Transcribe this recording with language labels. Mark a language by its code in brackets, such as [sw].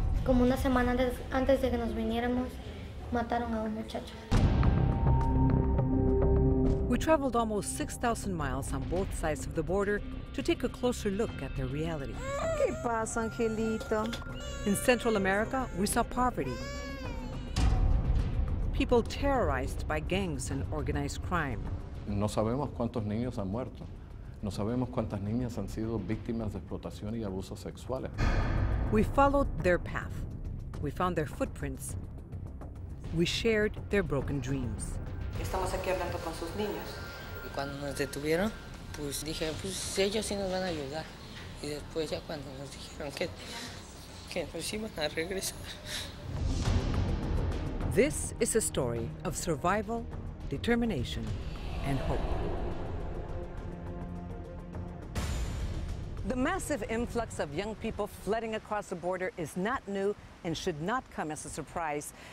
[es] Como una semana antes de que nos viniéramos, mataron a un muchacho. [en] We traveled almost 6,000 miles on both sides of the border to take a closer look at their reality. [es] ¿Qué pasa, Angelito? [en] In Central America, we saw poverty, people terrorized by gangs and organized crime. [es] No sabemos cuántos niños han muerto. No sabemos cuántas niñas han sido víctimas de explotación y abusos sexuales. [en] We followed their path. We found their footprints. We shared their broken dreams. [es] Estamos aquí hablando con sus niños. Y cuando nos detuvieron, pues dije, pues ellos sí nos van a ayudar. Y después ya cuando nos dijeron que nos iban a regresar. [en] This is a story of survival, determination, and hope. The massive influx of young people flooding across the border is not new and should not come as a surprise.